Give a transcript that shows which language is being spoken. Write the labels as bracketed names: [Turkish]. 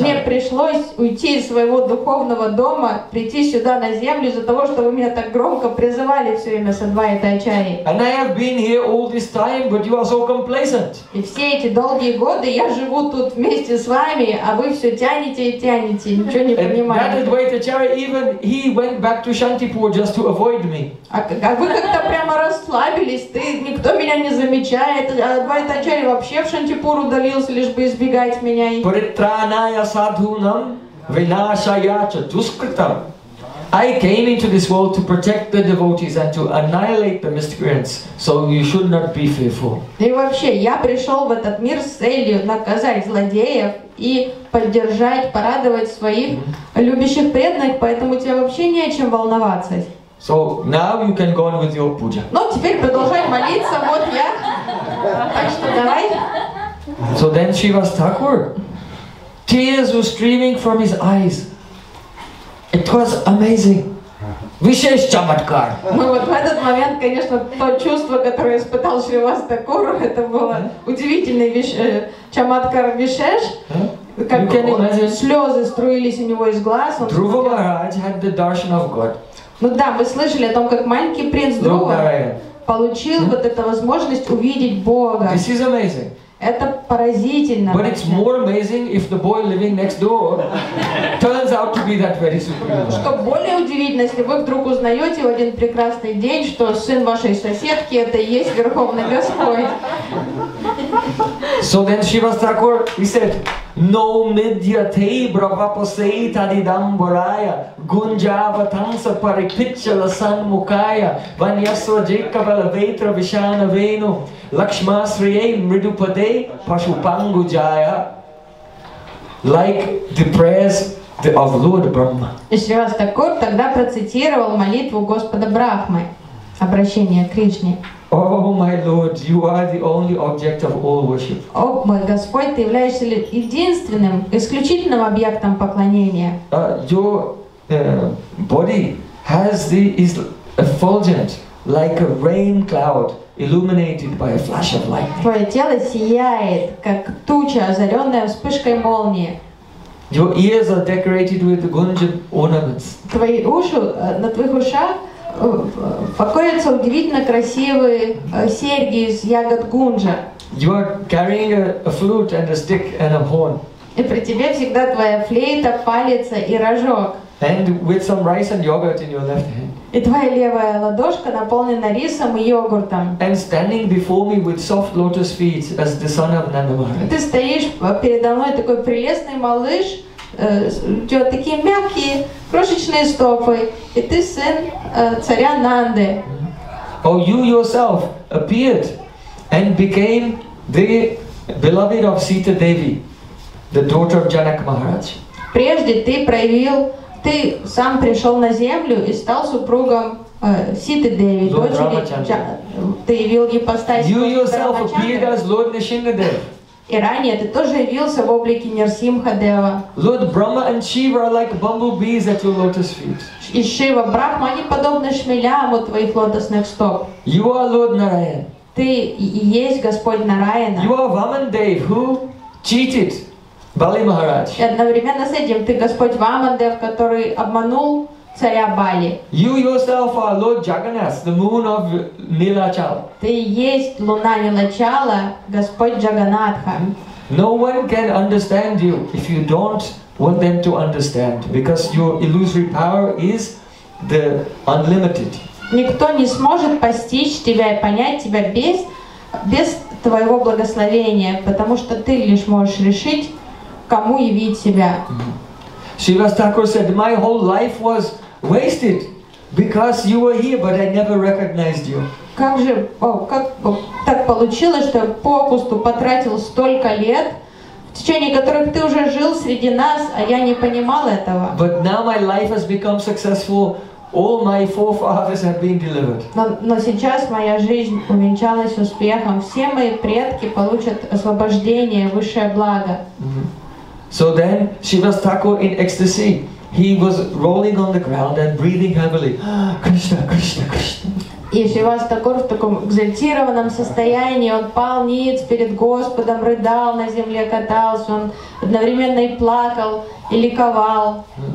[Russian] Мне пришлось уйти из своего духовного дома, прийти сюда на землю из-за того, что вы меня так громко призывали все время с Адвайта Ачари. [English] And I have been here all this time, but you are so complacent. [Russian] И все эти долгие годы я живу тут вместе с вами, а вы все тянете и тянете, ничего не понимаете. [English] And that Advaita Ачари, even he went back to Shantipur just to avoid me. [Russian] А вы как-то прямо расслабились, ты никто меня не замечает, а Адвайта Ачари вообще в Шантипур удалился, лишь бы избегать меня. [Sanskrit] Притраная садхунам винашаяча дускритам. [English] I came into this world to protect the devotees and to annihilate the miscreants, so you should not be fearful. [Russian] И вообще, я пришел в этот мир с целью наказать злодеев и поддержать, порадовать своих любящих преданных, поэтому тебе вообще не о чем волноваться. [English] So now you can go on with your puja. [Russian] Ну теперь продолжай молиться, вот я. Так что давай. [English] So then Shrivas Thakur, tears were streaming from his eyes. It was amazing. [Hindi] Vishesh chamatkar. [Russian] Ну вот в этот момент, конечно, то чувство, которое испытал Shrivas Thakur, это было удивительный [Hindi] чамадкар Вишеш. [Russian] Как слезы струились у него из глаз. [English] Dhruva Maharaj had the darshan of God. [Russian] Ну да, мы слышали о том, как маленький принц Друва получил вот эту возможность увидеть Бога. [English] This is amazing. [Russian] Это поразительно. [English] But it's more amazing if the boy living next door turns out to be that very supreme. [Russian] Что более удивительно, если вы вдруг узнаете в один прекрасный день, что сын вашей соседки это и есть Верховный Господь. [English] So then Shrivas Thakur, he said, [Sanskrit] No midyate bravaposeitadidam varaya gunjavatamsa parikichala sanmukaya vanyasva jekavala vetra vishana venu lakshmasriye mridupade pashupangujaya [English] Like the prayers of Lord Brahma. [Russian] И Shrivas Thakur тогда процитировал молитву Господа Брахмы, обращение к Кришне. [English] Oh my Lord, you are the only object of all worship. [Russian] О, мой Господь, ты являешься ли единственным, исключительным объектом поклонения. [English] Your body is effulgent like a rain cloud illuminated by a flash of light. [Russian] Твое тело сияет, как туча, озаренная вспышкой молнии. [English] Your ears are decorated with gunja ornaments. [Russian] Твои уши, на твоих ушах покоятся удивительно красивые серьги из ягод гунжа. [English] You are carrying a flute and a stick and a horn. [Russian] И при тебе всегда твоя флейта, палец и рожок. [English] And with some rice and yogurt in your left hand. [Russian] И твоя левая ладошка наполнена рисом и йогуртом. [English] And standing before me with soft lotus feet as the son of Nandamohan. [Russian] Ты стоишь передо мной такой прелестный малыш. У тебя такие мягкие, крошечные стопы, и ты сын царя Нанды. [English] Oh, you yourself appeared and became the beloved of Sita Devi, the daughter of Janak Maharaj. [Russian] Прежде ты проявил, ты сам пришел на землю и стал супругом Ситы Деви, дочери. Ты явил ипостась. [English] You yourself appeared as Lord Nrisimhadev. [Russian] И ранее ты тоже явился в облике Нрсимхадева. [English] Lord Brahma and Shiva are like bumblebees at your lotus feet. [Russian] И Шива, Брахма, они подобны шмелям у твоих лотосных стоп. [English] You are Lord Narayan. [Russian] Ты и есть Господь Нараяна. [English] You are Vamandev who cheated Bali Maharaj. [Russian] И одновременно с этим ты Господь Вамандев, который обманул царя Бали. [English] You yourself are Lord Jagannath, the moon of Nilachal. [Russian] Ты есть луна Нилачала, Господь Джаганатха. [English] No one can understand you if you don't want them to understand, because your illusory power is the unlimited. [Russian] Никто не сможет постичь тебя и понять тебя без твоего благословения, потому что ты лишь можешь решить, кому явить себя. [English] Shrivas Thakur said, my whole life was wasted because you were here, but I never recognized you. [Russian] Как же, как так получилось, что попусту потратил столько лет, в течение которых ты уже жил среди нас, а я не понимал этого. [English] But now my life has become successful All my forefathers have been delivered. [Russian] Но сейчас моя жизнь увенчалась успехом. Все мои предки получат освобождение, высшее благо. [English] So then she was taco in ecstasy. He was rolling on the ground and breathing heavily. Krishna, Krishna, Krishna. [Russian] И Шивас Такур в таком экзальтированном состоянии, он пал ниц перед Господом, рыдал на земле, катался, он одновременно и плакал, и ликовал.